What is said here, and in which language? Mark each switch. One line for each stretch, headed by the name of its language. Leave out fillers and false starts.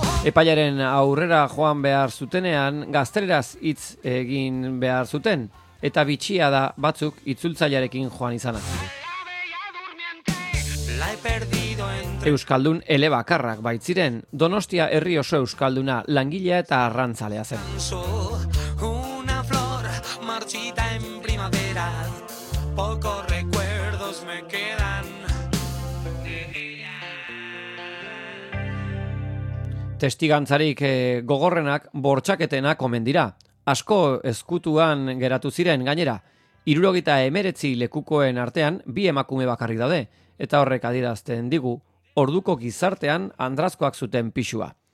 Basque: Epaiaren aurrera joan behar zutenean, gazteleraz hitz egin behar zuten, eta bitxia da batzuk itzultzailearekin joan izanak. Euskaldun ele bakarrak baitziren, Donostia herri oso euskalduna langilea eta arrantzalea zen.
Spanish: Una flor marchita en primavera, poco recuerdos me quedan.
Basque: Testigantzarik gogorrenak bortxaketena komen dira. Asko ezkutuan geratu ziren gainera, 79 lekukoen artean bi emakume bakarrik daude, eta horrek adierazten digu, orduko gizartean andrazkoak zuten pixua.